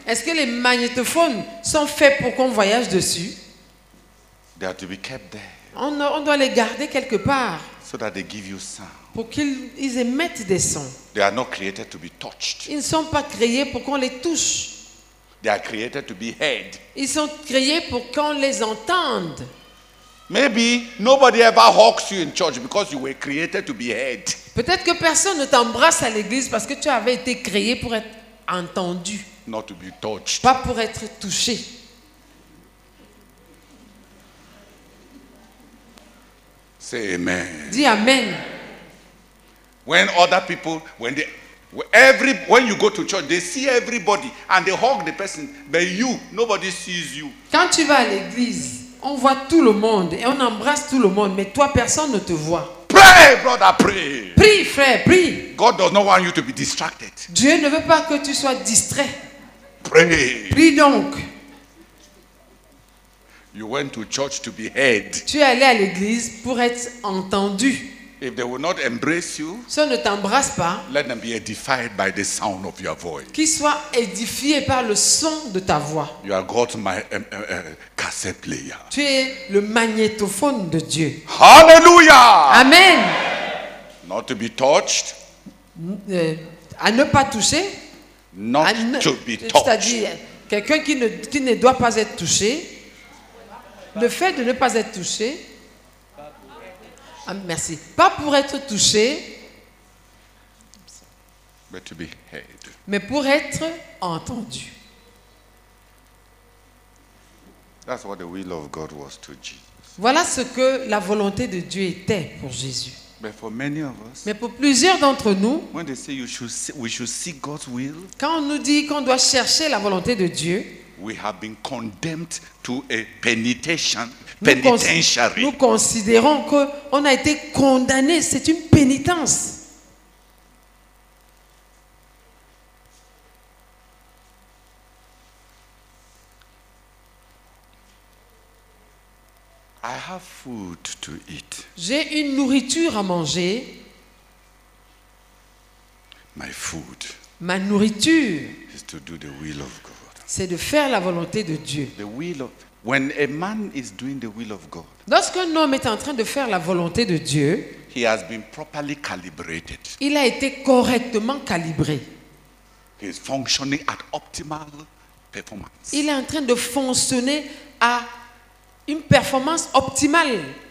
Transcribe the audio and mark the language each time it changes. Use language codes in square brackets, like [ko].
[fr] Est-ce que les magnétophones sont faits pour qu'on voyage dessus? [en] They are to be kept there. [fr] On doit les garder quelque part. [en] So that they give you sound. [fr] Pour qu'ils émettent des sons. [en] They are not created to be touched. [fr] Ils ne sont pas créés pour qu'on les touche. [en] They are created to be heard. [fr] Ils sont créés pour qu'on les entende. [en] Maybe nobody ever hugs you in church because you were created to be heard. [fr] Peut-être que personne ne t'embrasse à l'église parce que tu avais été créé pour être entendu. [en] Not to be touched. [fr] Pas pour être touché. [en] Say amen. [fr] Dis amen. [en] When other people, when they when you go to church, they see everybody and they hug the person, but you, nobody sees you. [fr] Quand tu vas à l'église, on voit tout le monde et on embrasse tout le monde, mais toi, personne ne te voit. [en] Pray, brother, pray. [fr] Prie, frère, prie. [en] God does not want you to be distracted. [fr] Dieu ne veut pas que tu sois distrait. [en] Pray. [fr] Prie donc. [en] You went to church to be heard. [fr] Tu es allé à l'église pour être entendu. [en] If they will not embrace you, [fr] si on ne t'embrasse pas, [en] let them be edified by the sound of your voice. [fr] Qu'ils soient édifiés par le son de ta voix. [en] You are God's cassette player. [fr] Tu es le magnétophone de Dieu. [en] Hallelujah. Amen. Not to be touched. [fr] À ne pas toucher. [en] Not to be touched. [fr] C'est-à-dire quelqu'un qui ne doit pas être touché, le fait de ne pas être touché, ah, merci, pas pour être touché, [en] but to be heard. [fr] Mais pour être entendu. [en] That's what the will of God was to Jesus. [fr] Voilà ce que la volonté de Dieu était pour Jésus. [en] But for many of us, [fr] mais pour plusieurs d'entre nous, [en] when they say we should seek God's will, [fr] quand on nous dit qu'on doit chercher la volonté de Dieu, [en] we have been condemned to a penitentiary. [fr] Nous considérons qu'on a été condamné, c'est une pénitence. [en] I have food to eat. [fr] J'ai une nourriture à manger. [en] My food. [fr] Ma nourriture. [en] Is to do the will of God. [fr] C'est de faire la volonté de Dieu. [en] The will of, when a man is doing the will of God. [fr] Lorsqu'un homme est en train de faire la volonté de Dieu. [en] He has been properly calibrated. [fr] Il a été correctement calibré. [en] He is functioning at optimal performance. [fr] Il est en train de fonctionner à une performance optimale.